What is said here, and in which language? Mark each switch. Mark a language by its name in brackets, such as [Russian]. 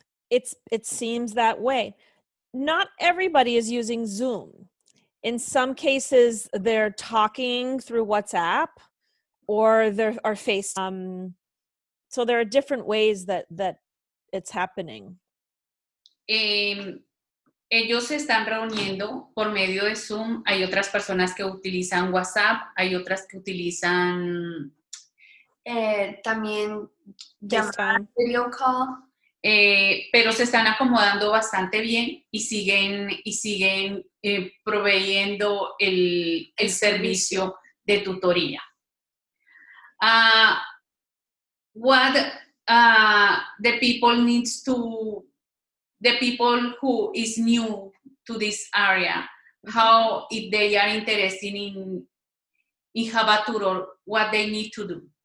[English] It seems that way. Not everybody is using Zoom. In some cases, they're talking through WhatsApp or they're or FaceTime. So there are different ways that it's happening. [Spanish] Ellos se están reuniendo por medio de Zoom. Hay otras personas que utilizan WhatsApp. Hay otras que utilizan... también llamadas, video call. Pero se están acomodando bastante bien y siguen proveyendo el servicio de tutoría. [English] What the people needs to, the people who is new to this area, how if they are interested in Java Tutor, what they need to do?